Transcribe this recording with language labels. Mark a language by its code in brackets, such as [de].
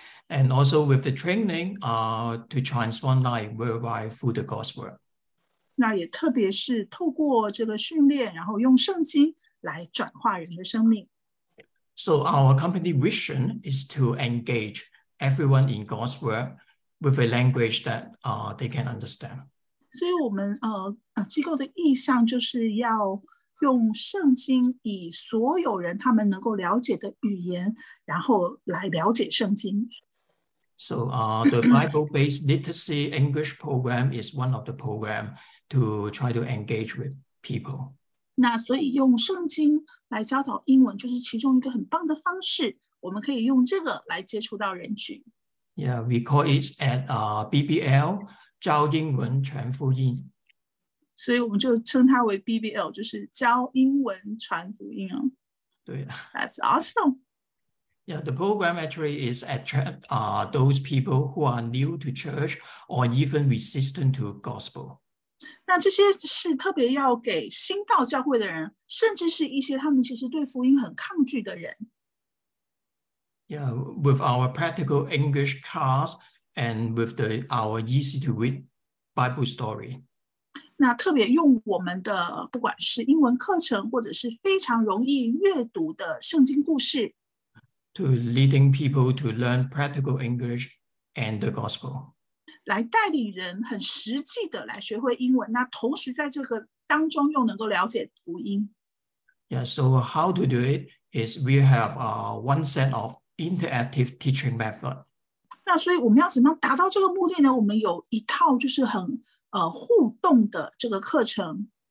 [en] And also with the training to transform life worldwide through the gospel. [zh] 那也特别是透过这个训练，然后用圣经来转化人的生命。 [en] So our company vision is to engage everyone in God's word with a language that they can understand. [zh] 所以我们机构的意向就是要用圣经以所有人他们能够了解的语言，然后来了解圣经。 [en] So the Bible-based literacy English program is one of the program. To try to engage with people. [zh] 那所以用圣经来教导英文就是其中一个很棒的方式，我们可以用这个来接触到人群。 [en] Yeah, we call it at BBL, [zh] 教英文传福音。所以我们就称它为 BBL, 就是教英文传福音哦。对。 [en] That's awesome. Yeah, the program actually is attract those people who are new to church or even resistant to gospel. [zh] 那这些是特别要给新到教会的人，甚至是一些他们其实对福音很抗拒的人。 [en] Yeah, with our practical English class and with our easy to read Bible story. [zh] 那特别用我们的不管是英文课程或者是非常容易阅读的圣经故事。 [en] To leading people to learn practical English and the gospel. [zh] 来带领人很实际的来学会英文，那同时在这个当中又能够了解福音。 [en] Yeah, so how to do it is we have a one set of interactive teaching method. [zh] 那所以我们要怎么样达到这个目的呢？我们有一套就是很互动的这个课程。